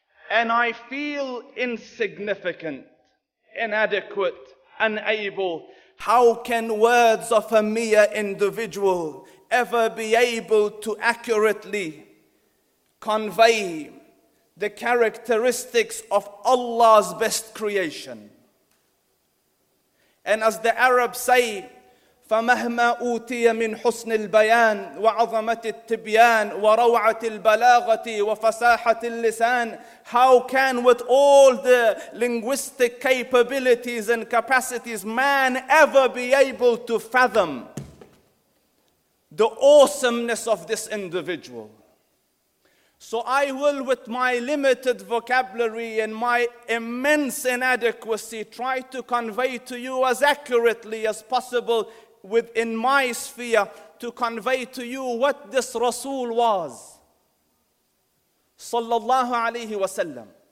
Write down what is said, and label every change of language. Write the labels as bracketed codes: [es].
[en] And I feel insignificant, inadequate, unable. How can words of a mere individual ever be able to accurately convey the characteristics of Allah's best creation? [ar] And as the Arabs say, فَمَهْمَا أُوْتِيَ مِنْ حُسْنِ الْبَيَانِ وَعَظَمَةِ التِّبْيَانِ وَرَوْعَةِ الْبَلَاغَةِ وَفَسَاحَةِ اللِّسَانِ. [en] How can with all the linguistic capabilities and capacities man ever be able to fathom the awesomeness of this individual? So I will, with my limited vocabulary and my immense inadequacy, try to convey to you as accurately as possible within my sphere, to convey to you what this Rasul was, sallallahu alayhi wa sallam.